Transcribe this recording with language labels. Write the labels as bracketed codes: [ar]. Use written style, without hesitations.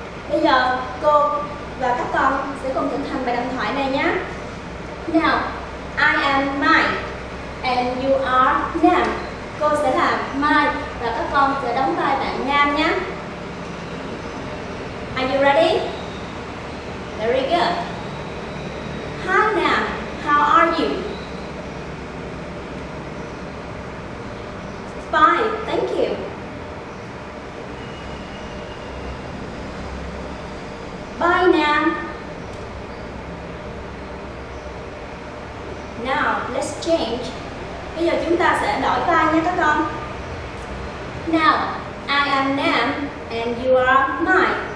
[vi] Bây giờ cô và các con sẽ cùng thực hành bài đàm thoại này nhé. [en] Now, I am Mai and you are Nam. [vi] Cô sẽ là Mai và các con sẽ đóng vai bạn Nam nhé. [en] Are you ready? Very good. Hi Nam, how are you? Fine, thank you. Bye, Nam. Now, let's change. [vi] Bây giờ chúng ta sẽ đổi vai nha các con. [en] Now, I am Nam and you are Mai.